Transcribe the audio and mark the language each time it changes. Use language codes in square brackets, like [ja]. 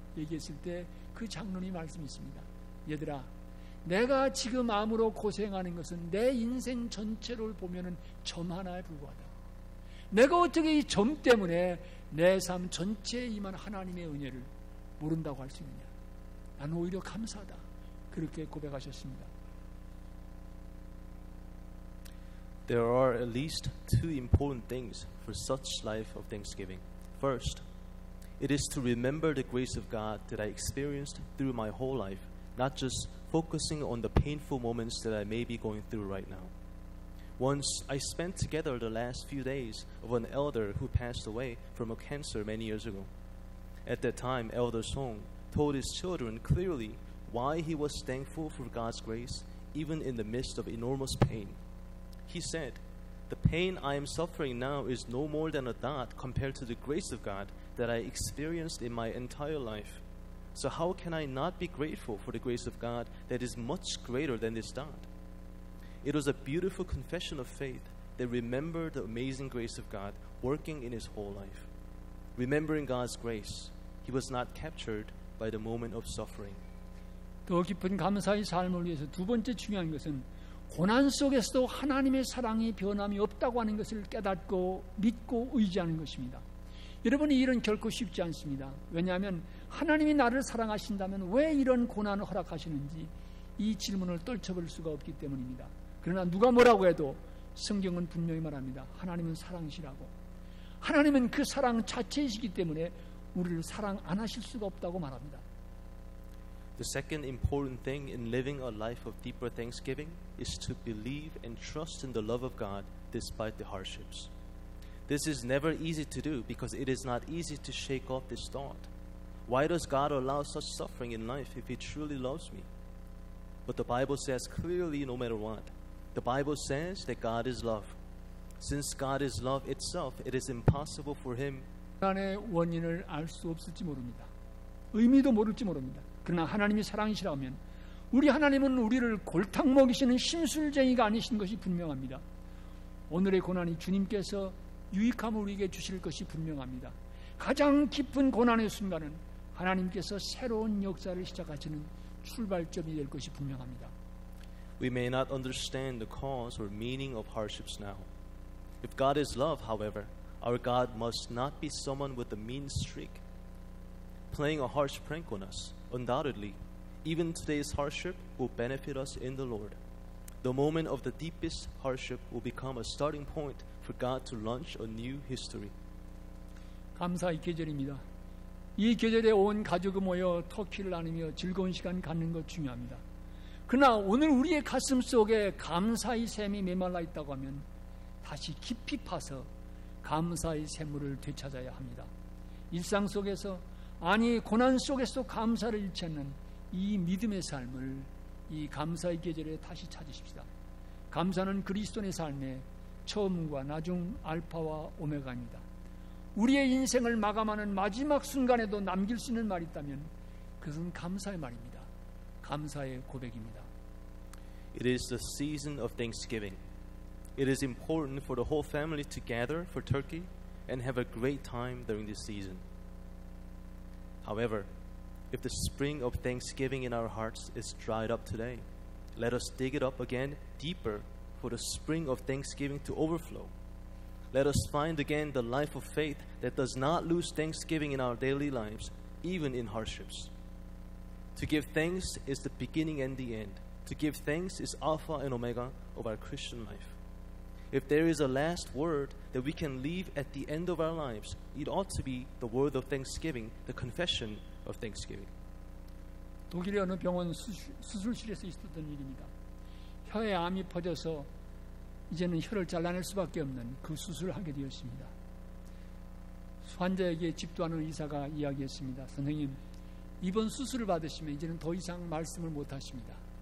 [ko] 얘기했을 때 그 장로님 말씀이 있습니다. 얘들아, 내가 지금 암으로 고생하는 것은 내 인생 전체를 보면은 점 하나에 불과하다. 내가 어떻게 이 점 때문에 내 삶 전체에 임한 하나님의 은혜를 모른다고 할 수 있느냐. 나는 오히려 감사하다. 그렇게 고백하셨습니다. [en] There are at least two important things for such life of thanksgiving. First, it is to remember the grace of God that I experienced through my whole life, not just focusing on the painful moments that I may be going through right now. Once I spent together the last few days of an elder who passed away from a cancer many years ago. At that time, Elder Song told his children clearly why he was thankful for God's grace even in the midst of enormous pain. He said, "The pain I am suffering now is no more than a dot compared to the grace of God that I experienced in my entire life. So how can I not be grateful for the grace of God that is much greater than this dot?" It was a beautiful confession of faith that remembered the amazing grace of God working in his whole life. Remembering God's grace, he was not captured by the moment of suffering. [ko] 더 깊은 감사의 삶을 위해서 두 번째 중요한 것은 고난 속에서도 하나님의 사랑이 변함이 없다고 하는 것을 깨닫고 믿고 의지하는 것입니다. 여러분이 이런 결코 쉽지 않습니다. 왜냐하면 하나님이 나를 사랑하신다면 왜 이런 고난을 허락하시는지 이 질문을 떨쳐볼 수가 없기 때문입니다. 그러나 누가 뭐라고 해도 성경은 분명히 말합니다. 하나님은 사랑이시라고. 하나님은 그 사랑 자체이시기 때문에 우리를 사랑 안 하실 수가 없다고 말합니다. [en] The second important thing in living a life of deeper thanksgiving is to believe and trust in the love of God despite the hardships. This is never easy to do because it is not easy to shake off this thought. Why does God allow such suffering in life if he truly loves me? But the Bible says clearly no matter what. The Bible says that God is love. Since God is love itself, it is impossible for him. [ko] 고난의 원인을 알 수 없을지 모릅니다. 의미도 모를지 모릅니다. 그러나 하나님이 사랑이시라면 우리 하나님은 우리를 골탕 먹이시는 심술쟁이가 아니신 것이 분명합니다. 오늘의 고난이 주님께서 유익함을 우리에게 주실 것이 분명합니다. 가장 깊은 고난의 순간은 하나님께서 새로운 역사를 시작하시는 출발점이 될 것이 분명합니다. [en] We may not understand the cause or meaning of hardships now. If God is love, however, our God must not be someone with a mean streak playing a harsh prank on us. Undoubtedly, even today's hardship will benefit us in the Lord. The moment of the deepest hardship will become a starting point for God to launch a new history. [ko] 감사의 계절입니다. 이 계절에 온 가족을 모여 터키를 나누며 즐거운 시간 갖는 것 중요합니다. 그러나 오늘 우리의 가슴 속에 감사의 샘이 메말라 있다고 하면 다시 깊이 파서 감사의 샘물을 되찾아야 합니다. 일상 속에서 아니 고난 속에서도 감사를 잃지 않는 이 믿음의 삶을 이 감사의 계절에 다시 찾으십시다. 감사는 그리스도인의 삶의 처음과 나중 알파와 오메가입니다. 우리의 인생을 마감하는 마지막 순간에도 남길 수 있는 말이 있다면 그것은 감사의 말입니다. 감사의 고백입니다. [en] It is the season of Thanksgiving. It is important for the whole family to gather for turkey and have a great time during this season. However, if the spring of thanksgiving in our hearts is dried up today, let us dig it up again deeper for the spring of thanksgiving to overflow. Let us find again the life of faith that does not lose thanksgiving in our daily lives, even in hardships. To give thanks is the beginning and the end. To give thanks is Alpha and Omega of our Christian life. If there is a last word that we can leave at the end of our lives, it ought to be the word of thanksgiving, the confession of thanksgiving. [ko] 독일의 어느 병원 수술실에서 있었던 일입니다. 혀에 암이 퍼져서 이제는 혀를 잘라낼 수밖에 없는 그 수술을 하게 되었습니다. 환자에게 집도하는 의사가 이야기했습니다. 선생님, 이번 수술을 받으시면 이제는 더 이상 말씀을 못하십니다.